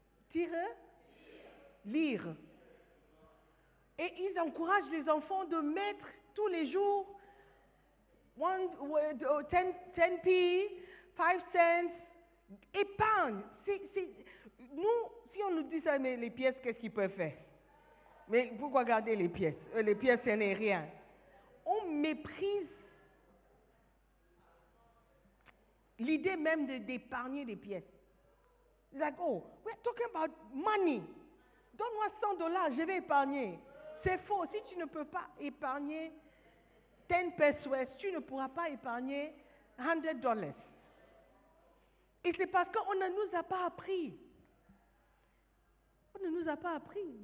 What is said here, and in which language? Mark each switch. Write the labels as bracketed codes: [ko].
[fr] Tire-lire. Et ils encouragent les enfants de mettre tous les jours 10p, 5 cents. Épargne. Nous, si on nous dit ça, mais les pièces, qu'est-ce qu'ils peuvent faire? Mais pourquoi garder les pièces? Les pièces, ce n'est rien. On méprise l'idée même d'épargner les pièces. [en] Like, oh, we're talking about money. [fr] Donne-moi 100 dollars, je vais épargner. C'est faux. Si tu ne peux pas épargner 10 pesos, tu ne pourras pas épargner 100 dollars. Et c'est parce qu'on ne nous a pas appris. On ne nous a pas appris.